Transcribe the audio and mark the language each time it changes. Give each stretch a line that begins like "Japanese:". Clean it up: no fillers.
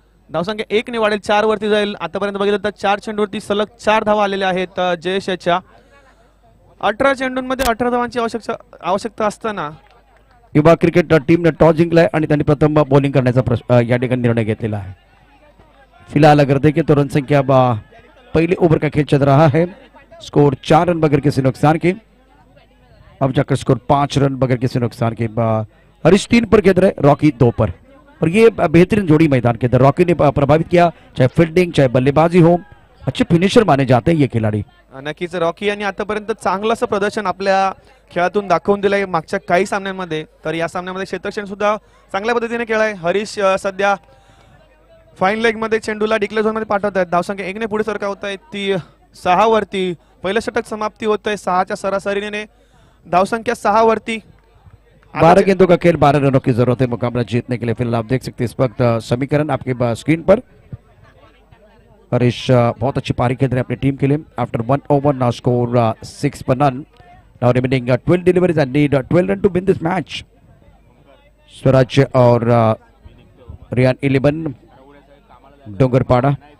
Marathi: धावसंख्या एक ने वाढेल 4 वरती जाईल. आतापर्यंत बघितलं तर 4 चेंडूवरती सलग 4 धावा आलेल्या आहेत जयेशच्या. 18 चेंडूंमध्ये 18 धावांची आवश्यकता असताना युवा क्रिकेट टीमने टॉस जिंकलाय आणि त्यांनी प्रथम बॉलिंग करण्याचा या ठिकाणी निर्णय घेतलेला आहे.
Hindi: फिलहाल अगर देखिए तो रन संख्या पहले ओवर का खेल चल रहा है. स्कोर 4 रन बगैर किसी नुकसान के. अब जाकर स्कोर 5 रन बगैर किसी नुकसान के. हरीश 3 पर खेल रहे, रॉकी 2 पर. और ये बेहतरीन जोड़ी मैदान के अंदर रॉकी ने प्रभावित किया, चाहे फील्डिंग चाहे बल्लेबाजी हो, अच्छे फिनिशर माने जाते हैं ये खिलाड़ी.
Marathi: नक्कीच रॉकी यांनी आतापर्यंत चांगलं असं प्रदर्शन आपल्या खेळातून दाखवून दिलंय मागच्या काही सामन्यांमध्ये. तर या सामन्यामध्ये क्षेत्ररक्षण सुद्धा चांगल्या पद्धतीने खेळाय. हरीश सध्या फाईन लेग मध्ये चेंडूला डिक्लेअर झोन मध्ये पाठवत आहेत. धावसंख्या एक ने पुढे सरकावत आहे ती 6 वरती. पहिलं षटक समाप्ती होत आहे 6 सरासरीने. धावसंख्या 6 वरती.
Hindi: 12 गेंदों का खेल, 12 रनों की जरूरत है मुकाबला जीतने के लिए. फिलहाल आप देख सकते हैं इस वक्त समीकरण आपके स्क्रीन पर. हरीश बहुत अच्छी पारी खेल रहे अपनी टीम के लिए.
English: after 1 over now score 6
Hindi: पर none.
English: Now remaining 12 deliveries and need 12 run to win this match. Swaraj और रियान 11 डोंगरपाड़ा.